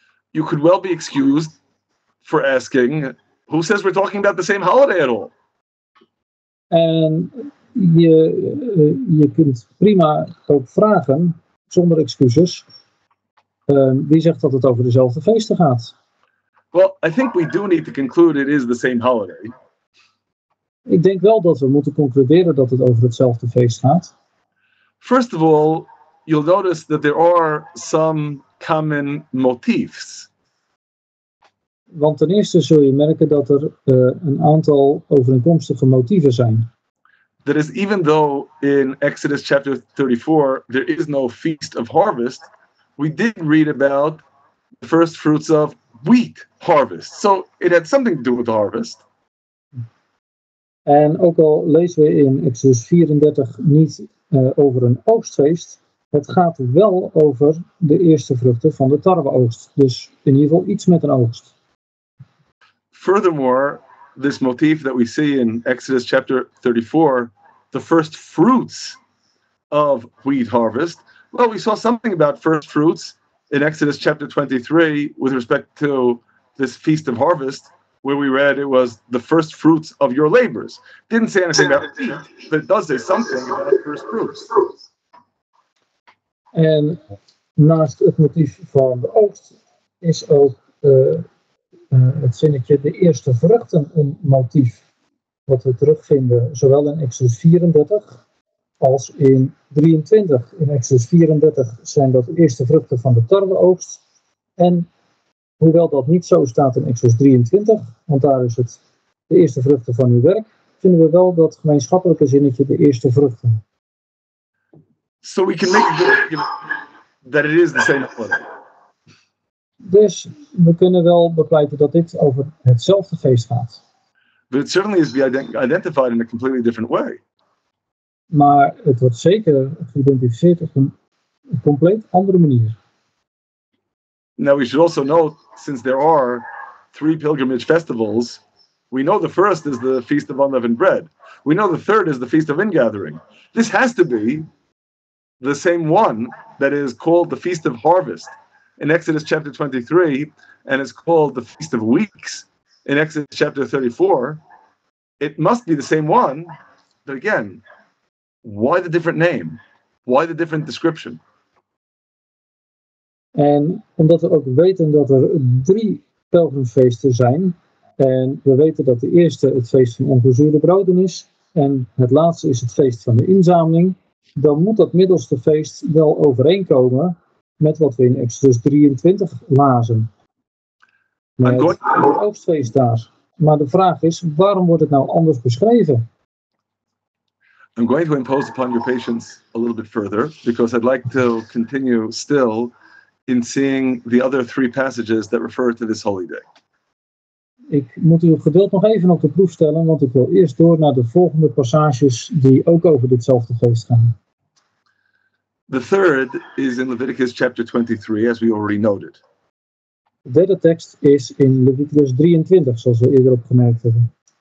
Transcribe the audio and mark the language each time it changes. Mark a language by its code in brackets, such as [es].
[en] You could well be excused for asking, who says we're talking about the same holiday at all? [nl] En je kunt prima ook vragen, zonder excuses, wie zegt dat het over dezelfde feesten gaat? [en] Well, I think we do need to conclude it is the same holiday. [nl] Ik denk wel dat we moeten concluderen dat het over hetzelfde feest gaat. [en] First of all, you'll notice that there are some common motifs. [nl] Want ten eerste zul je merken dat er een aantal overeenkomstige motieven zijn. [en] That is, even though in Exodus chapter 34 there is no feast of harvest, we did read about the first fruits of wheat harvest. So it had something to do with the harvest. [nl] En ook al lezen we in Exodus 34 niet over een oogstfeest, het gaat wel over de eerste vruchten van de tarweoogst. Dus in ieder geval iets met een oogst. [en] Furthermore, this motif that we see in Exodus chapter 34, the first fruits of wheat harvest. Well, we saw something about first fruits in Exodus chapter 23 with respect to this feast of harvest, where we read it was the first fruits of your labors. Didn't say anything about wheat, but it does say something about first fruits. [nl] En naast het motief van de oogst is ook het zinnetje de eerste vruchten een motief wat we terugvinden zowel in Exodus 34 als in 23. In Exodus 34 zijn dat de eerste vruchten van de tarweoogst en hoewel dat niet zo staat in Exodus 23, want daar is het de eerste vruchten van uw werk, vinden we wel dat gemeenschappelijke zinnetje de eerste vruchten. [en] So we can make that it is the same holiday. [nl] Dus we kunnen wel bepleiten dat dit over hetzelfde feest gaat. [en] But it certainly is identified in a completely different way. [nl] Maar het wordt zeker geïdentificeerd op een compleet andere manier. [en] Now we should also note, since there are three pilgrimage festivals, we know the first is the Feast of Unleavened Bread. We know the third is the Feast of Ingathering. This has to be the same one that is called the Feast of Harvest in Exodus chapter 23, and it's called the Feast of Weeks in Exodus chapter 34, it must be the same one. But again, why the different name? Why the different description? [nl] En omdat we ook weten dat er drie pelgrimfeesten zijn, en we weten dat de eerste het feest van ongezuurde broden is, en het laatste is het feest van de inzameling, dan moet dat middelste feest wel overeenkomen met wat we in Exodus 23 lazen. Met het oogstfeest daar. Maar de vraag is, waarom wordt het nou anders beschreven? [en] I'm going to impose upon your patience a little bit further, because I'd like to continue still in seeing the other three passages that refer to this holy day. [nl] Ik moet uw geduld nog even op de proef stellen, want ik wil eerst door naar de volgende passages die ook over ditzelfde feest gaan. [en] The third is in Leviticus chapter 23, as we already noted. [nl] De derde tekst is in Leviticus 23, zoals we eerder opgemerkt hebben.